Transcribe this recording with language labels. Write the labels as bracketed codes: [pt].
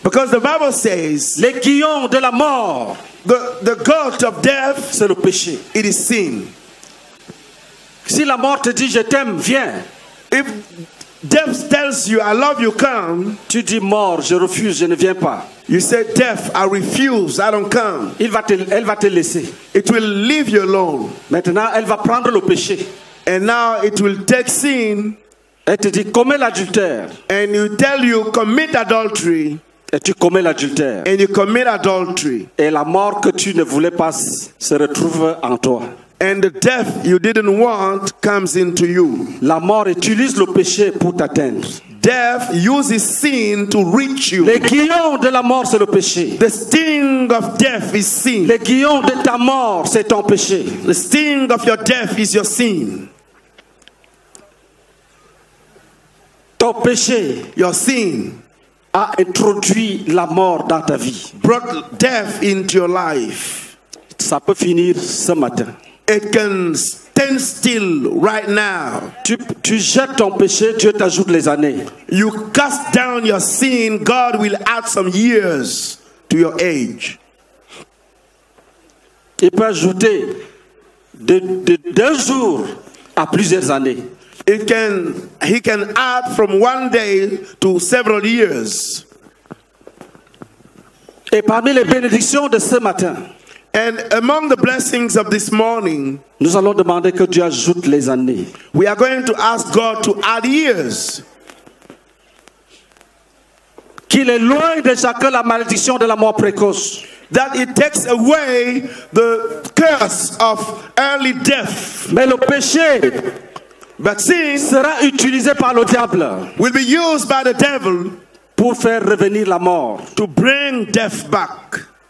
[en] Because the Bible says. [fr] L'aiguillon de la mort. [en] The guilt of death. [fr] C'est le péché. [en] It is sin. [fr] Si la mort te dit je t'aime, viens. [en] If death tells you I love you, come. [fr] Tu dis mort, je refuse, je ne viens pas. [en] You say death, I refuse, I don't come. [fr] Elle va te laisser. [en] It will leave you alone. [fr] Maintenant, elle va prendre le péché. [en] And now it will take sin. [fr] Elle te dit commet l'adultère. [en] And you tell you commit adultery. [fr] Et tu commets l'adultère. [en] And you commit adultery. [fr] Et la mort que tu ne voulais pas se retrouve en toi. [en] And the death you didn't want comes into you. [fr] La mort utilise le péché pour t'atteindre. [en] Death uses sin to reach you. [fr] L'aiguillon de la mort c'est le péché. [en] The sting of death is sin. [fr] L'aiguillon de ta mort c'est ton péché. [en] The sting of your death is your sin. [fr] Ton péché, [en] your sin, [fr] a introduit la mort dans ta vie. [en] Brought death into your life. [fr] Ça peut finir ce matin. [en] It can stand still right now. [fr] Tu jettes ton péché, Dieu t'ajoute les années. [en] You cast down your sin, God will add some years to your age. [fr] Il peut ajouter de 2 jours à plusieurs années. [en] He can add from 1 day to several years. [fr] Et parmi les bénédictions de ce matin, [en] and among the blessings of this morning, [fr] nous allons demander que Dieu ajoute les années. [en] We are going to ask God to add years. [fr] Qu'il éloigne de chacun la malédiction de la mort précoce. [en] That it takes away the curse of early death. [fr] Mais le péché, [en] but sin, [fr] sera utilisé par le diable. [en] Will be used by the devil [fr] pour faire revenir la mort. [en] To bring death back.